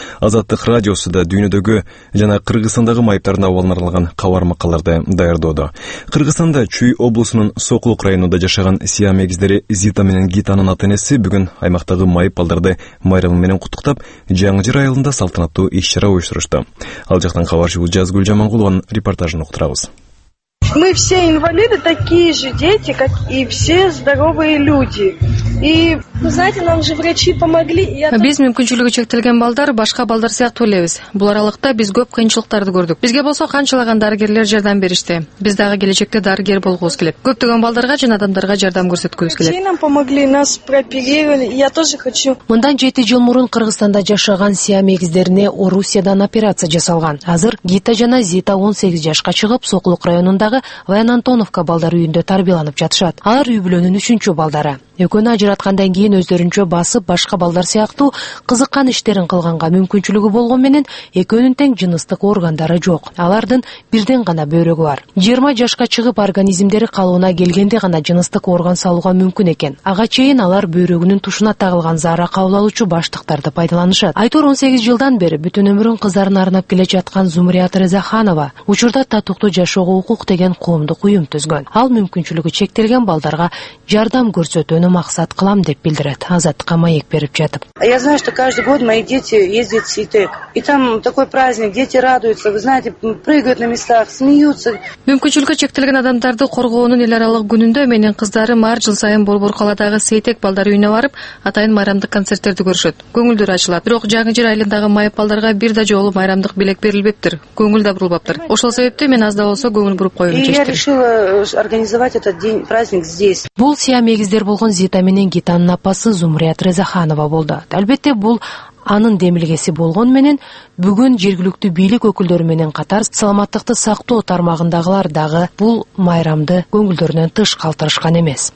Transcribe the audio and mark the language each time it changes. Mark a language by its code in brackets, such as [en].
[ky] Азаттык радиосу да дүйнөдөгү жана Кыргызстандагы майыптардын абалына арналган кабар макалаларды даярдоодо. Кыргызстанда Чүй облусунун Сокулук районунда жашаган Сиам эгиздери Зита менен Гитанын ата энеси бүгүн аймактагы майып балдарды майрам менен куттуктап, Жаңы Жер айылында салтанаттуу иш чара уюштурушту. Ал жактан кабарчыбыз Жазгүл Жаманкулованын репортажын уктурабыз. [ru] Мы все инвалиды, такие же дети, как и все здоровые люди. И, ну, знаете, нам же врачи помогли. [ky] Биз мүмкүнчүлүгү чектелген балдар башка балдар сыяктуу элебиз. Бул аралыкта биз көп кыйынчылыктарды көрдүк. Бизге болсо канчалаган дарыгерлер жардам беришти. Биз дагы келечекте дарыгер болгубуз келет. Көптөгөн балдарга жана адамдарга жардам көрсөткүбүз келет. [ru] Врачи нам помогли, нас прооперировали. Я тоже хочу. [ky] Мындан 7 жыл мурун Кыргызстанда жашаган Сиам эгиздерине Орусиядан операция жасалган. Азыр Гита жана Зита 18 жашка чыгып, Сокулук районундагы Ваян Антоновка балдар үйүндө тарбияланып жатышат. Алар үй бүлөнүн 3-чү балдары. Экөөнү ажыраткандан кийин өздөрүнчө басып башка балдар сыяктуу кызыккан иштерин кылганга мүмкүнчүлүгү болгон менен экөөнүн тең жыныстык органдары жок. Алардын бирден гана бөйрөгү бар. 20 жашка чыгып организмдери калыбына келгенде гана жыныстык орган салууга мүмкүн экен. Ага чейин алар бөйрөгүнүн тушуна тагылган заара кабылалуучу баштыктарды пайдаланышат. Айтор 18 жылдан бери бүтүн өмүрүн кыздарына арнап келе жаткан Зумрият Рызаханова учурда татыктуу жашоого укук деген коомдук уюм түзгөн. Ал мүмкүнчүлүгү чектелген балдарга жардам көрсөтөт. өткөнү максат кылам деп билдирет Азаттыкка маек берип жатып. [ru] Я знаю, что каждый год мои дети ездят в Ситек. И там такой праздник, дети радуются, вы знаете, прыгают на местах, смеются. [ky] Мүмкүнчүлүгү чектелген адамдарды коргоонун эл аралык күнүндө менин кыздарым ар жыл сайын Борбор калаадагы Ситек балдар үйүнө барып, атайын майрамдык концерттерди көрүшөт. Көңүлдөрү ачылат. Бирок жаңы жер айылындагы майып балдарга бир да жолу майрамдык белек берилбептир. Көңүл да бурулбаптыр. Ошол себептен мен аз да болсо көңүл буруп коюуну чечтим. [ru] И я решила организовать этот день праздник здесь. [ky] Бул сия мегиздер болгон Зита менен Гитанын апасы Зумрият Рызаханова болду. Албетте бул анын демилгеси болгон менен бүгүн жергиликтүү бийлик өкүлдөрү менен катар саламаттыкты сактоо тармагындагылар дагы бул майрамды көңүлдөрүнөн тыш калтырышкан эмес.